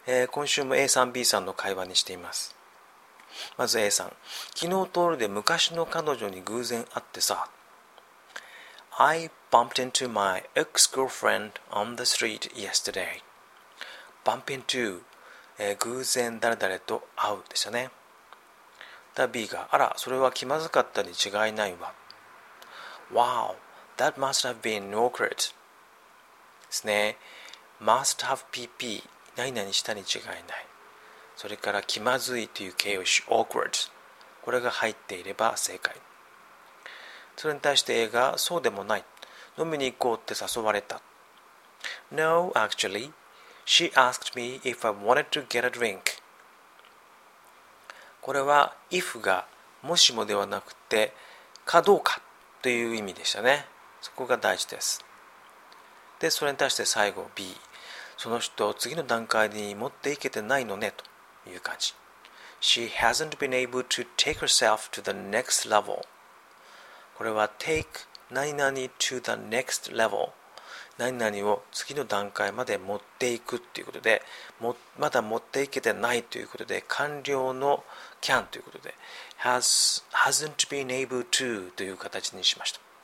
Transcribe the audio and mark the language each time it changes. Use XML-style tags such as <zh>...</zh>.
<ja>今週も A さん B さんの会話にしています。まず A さん、昨日通りで昔の彼女に偶然会ってさ、</ja> <en>I bumped into my ex-girlfriend on the street yesterday。 Bump into、</en> <ja>偶然誰々と会うでしたね。 B が、あら、それは気まずかったに違いないわ。</ja> <en>Wow, that must have been awkward.</en> <ja>ですね。</ja> <en>Must have PP、</en> <ja>何々したに違いない。それから気まずいという形容詞、awkward。これが入っていれば正解。それに対して A が、そうでもない。飲みに行こうって誘われた。</ja> <en>No, actually, she asked me if I wanted to get a drink.</en> <ja>これは if がもしもではなくてかどうかという意味でしたね。そこが大事です。で、それに対して最後 B、 その人を次の段階に持っていけてないのねという感じ。</ja> <en>She hasn't been able to take herself to the next level。</en> <ja>これは take 何々 to the next level、 何々を次の段階まで持っていくということで、まだ持っていけてないということで、完了のCan ということで</ja> <en>hasn't been able to</en> <ja>という形にしました。</ja>